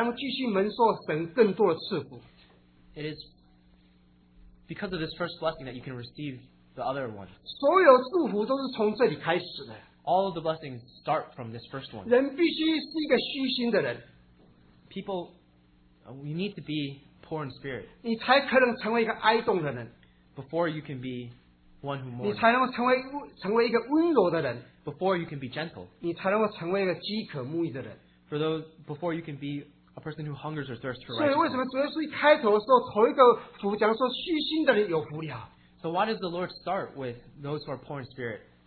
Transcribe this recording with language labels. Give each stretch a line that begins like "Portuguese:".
Chinese: 必须有头一个降了福呢，人才能继续蒙受神更多的赐福。
English: It is because of this first blessing that you can receive the other ones.
Chinese: 所有祝福都是从这里开始的。
English: All of the blessings start from this first one.
Chinese: 人必须是一个虚心的人。
English: People, we need to be poor in spirit.
Chinese: 你才可能成为一个哀痛的人。
English: Before you can be one who mourns.
Chinese: 你才能成为一个温柔的人。
English: Before you can be gentle.
Chinese: 你才能成为一个饥渴慕义的人。
English: For those, before you can be a person who hungers or thirsts for righteousness.
Chinese: 所以为什么主耶稣一开头的时候，头一个福讲说虚心的人有福了。
English: So why does the Lord start with those who are poor in spirit?